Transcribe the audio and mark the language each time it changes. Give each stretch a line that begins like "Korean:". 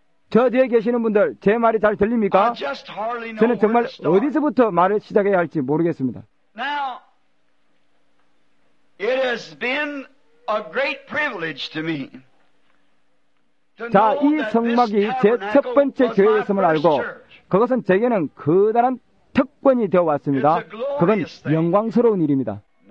Korean: 저 뒤에 계시는 분들 제 말이 잘 들립니까? 저는 정말 어디서부터 말을 시작해야 할지 모르겠습니다.
English: It has been a great privilege to me.
Korean: 자, 이 성막이 제 첫 번째 교회였음을 알고 그것은 제게는 커다란 특권이 되어 왔습니다. 그건 영광스러운 일입니다.